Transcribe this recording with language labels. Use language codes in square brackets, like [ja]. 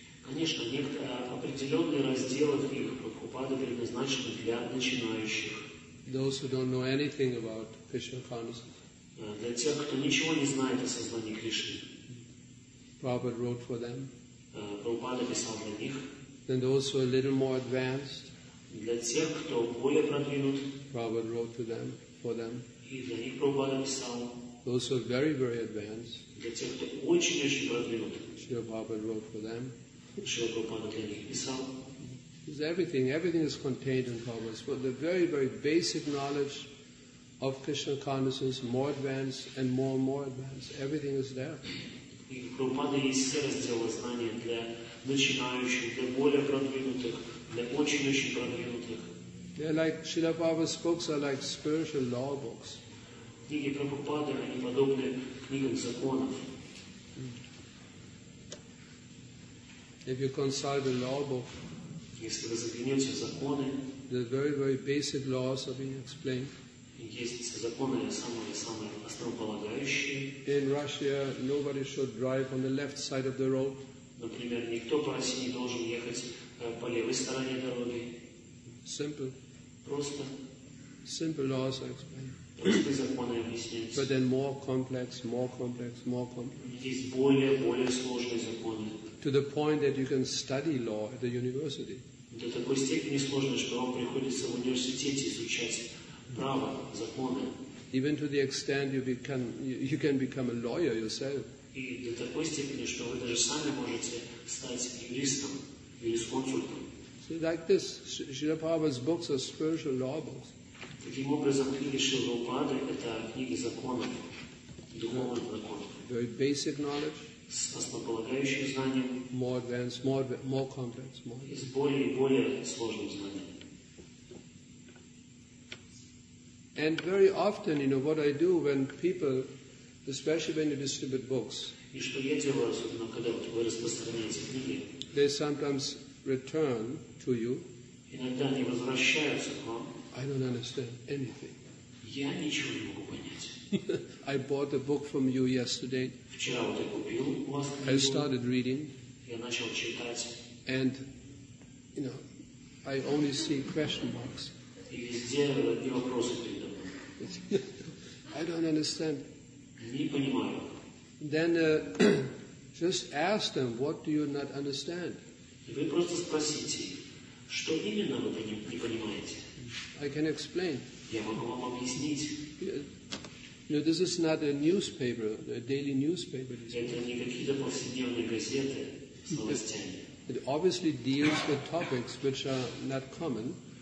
[ru] Конечно, определенные разделы в них Прабхупада предназначены для начинающих. [en] Those who don't know anything about Krishna consciousness. [ru] Для тех, кто ничего не знает о сознании Кришны. [en] Prabhupada wrote for them. [ru] Прабхупада писал для них. [en] And also a little more advanced. [ru] Для тех, кто более продвинут. [en] Prabhupada wrote to them, for them. [ru] И для них Прабхупада писал. [en] Those who are very, very advanced. Srila Prabhupada wrote for them. It's everything. Everything is contained in Prabhupada's book. The very, very basic knowledge of Krishna consciousness, more advanced and more advanced. Everything is there. They're like, Srila Prabhupada's books are like spiritual law books. [ru] книги Прабхупады, они подобны книгам законов. [en] If you consult the law book, [ru] если вы заглянете в законы, [en] the very, very basic laws are being explained. [ru] Есть законы самые-самые основополагающие. [en] In Russia, nobody should drive on the left side of the road. [ru] Например, никто по России не должен ехать по левой стороне дороги. [en] Simple. [ru] Просто. [en] Simple laws are explained. [ru] Простые законы объясняются. [en] But then more complex, more complex, more complex. [ru] Есть более-более сложные законы. [en] To the point that you can study law at the university. [ru] До такой степени сложно, что вам приходится в университете изучать право, законы. [en] Even to the extent you can become a lawyer yourself. [ru] И до такой степени, что вы даже сами можете стать юристом, юрисконсультом. [en] See, like this, Srila Prabhupada's books are spiritual law books. [ru] Таким образом, книги Шрилы Прабхупады – это книги законов, духовных законов. [en] Very basic knowledge. [ru] С основополагающим знанием. [en] More advanced, more complex, more. [ru] И с более и более сложным знанием. [en] And very often, you know, what I do when people, especially when you distribute books, [ru] и что я делаю, особенно когда вы распространяете книги, [en] they sometimes return to you. [ru] Иногда они возвращаются к вам. [en] I don't understand anything. [ru] Я ничего не могу понять. [en] I bought a book from you yesterday. [ru] Вчера вот я купил у вас книгу. [en] I started reading. [ru] Я начал читать. [en] And, you know, I only see question marks. [ru] И везде одни вопросы передо мной. [en] I don't understand. [ru] Не понимаю. [en] Then just ask them, what do you not understand? [ru] И вы просто спросите, что именно вы не понимаете? [en] I can explain. [ru] Я могу вам объяснить. [en] You know, this is not a newspaper, a daily newspaper. [ru] Это не какие-то повседневные газеты с новостями. [en] It obviously deals with topics which are not common.